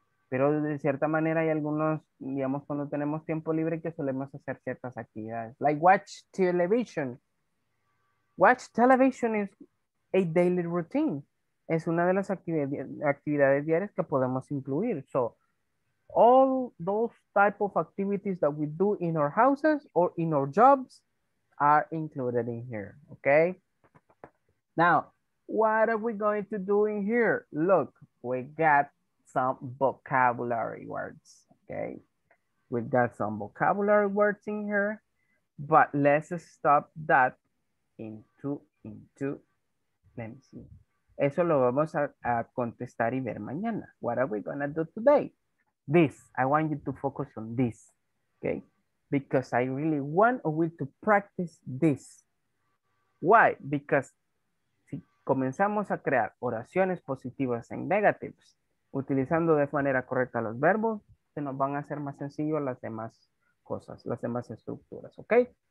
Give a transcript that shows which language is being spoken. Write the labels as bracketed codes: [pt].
[es] Pero de cierta manera hay algunos, digamos, cuando tenemos tiempo libre que solemos hacer ciertas actividades. [en] Like watch television. Watch television is a daily routine. [es] Es una de las actividades diarias que podemos incluir. [en] So, all those type of activities that we do in our houses or in our jobs are included in here, okay? Now, what are we going to do in here? Look, we got some vocabulary words, okay? We've got some vocabulary words in here, but let's stop that into, let me see. [es] Eso lo vamos a contestar y ver mañana. [en] What are we going to do today? This, I want you to focus on this, okay? Because I really want you to practice this. Why? Because [es] si comenzamos a crear oraciones positivas en negatives, utilizando de manera correcta los verbos, se nos van a hacer más sencillo las demás cosas, las demás estructuras, okay?